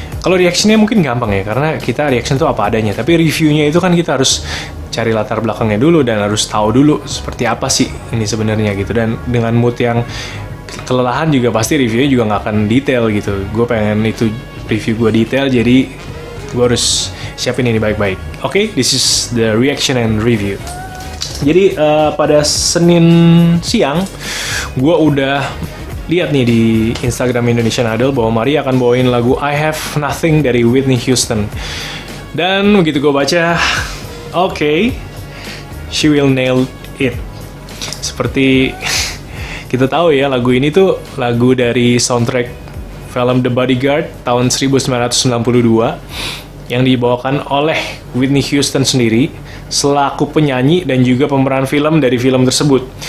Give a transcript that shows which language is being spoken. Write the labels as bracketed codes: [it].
[id] Kalau reaction-nya mungkin gampang ya, karena kita reaction tuh apa adanya. Tapi review-nya itu kan kita harus cari latar belakangnya dulu, dan harus tahu dulu seperti apa sih ini sebenarnya gitu. Dan dengan mood yang kelelahan juga pasti review-nya juga gak akan detail gitu. Gue pengen itu review gue detail, jadi gue harus siapin ini baik-baik. [en] Okay, this is the reaction and review. [id] Jadi pada Senin siang gue udah lihat nih di Instagram Indonesian Idol bahwa Maria akan bawain lagu I Have Nothing dari Whitney Houston. Dan begitu gue baca, [en] okay, she will nail it. [id] Seperti kita tahu ya, lagu ini tuh lagu dari soundtrack film The Bodyguard tahun 1992 yang dibawakan oleh Whitney Houston sendiri selaku penyanyi dan juga pemeran film dari film tersebut.